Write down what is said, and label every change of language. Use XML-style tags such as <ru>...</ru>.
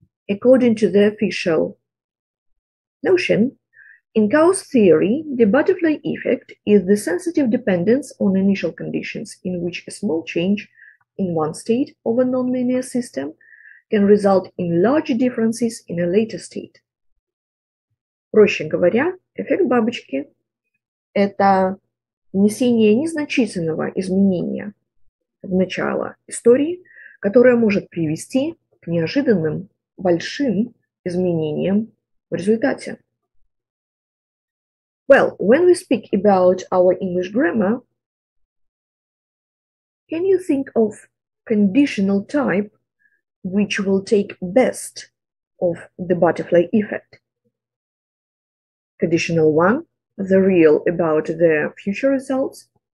<en>According to the official notion, in Gauss theory, the butterfly effect is the sensitive dependence on initial conditions in which a small change in one state of a nonlinear system can result in large differences in a later state.</en> <ru>Проще говоря, эффект бабочки – это внесение незначительного изменения в начало истории, которое может привести к неожиданным большим изменениям в результате.</ru> <en>Well, when we speak about our English grammar, can you think of conditional type which will take best of the butterfly effect? Conditional 1, the real about the future results.</en>